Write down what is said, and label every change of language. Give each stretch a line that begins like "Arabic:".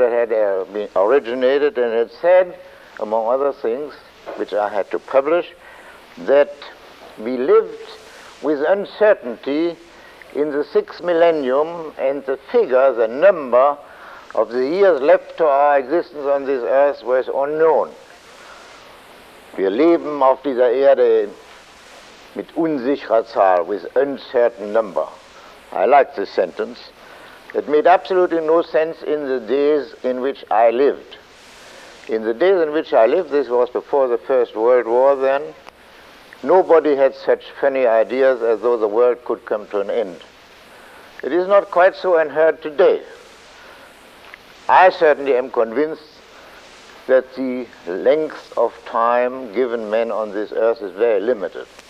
English: It had originated, and it said, among other things, which I had to publish, that we lived with uncertainty in the sixth millennium, and the figure, the number of the years left to our existence on this earth was unknown.
German: Wir leben auf dieser Erde mit unsicherer Zahl,
English: with uncertain number. I like this sentence. It made absolutely no sense in the days in which I lived. In the days in which I lived, this was before the First World War then, nobody had such funny ideas as though the world could come to an end. It is not quite so unheard today. I certainly am convinced that the length of time given men on this earth is very limited.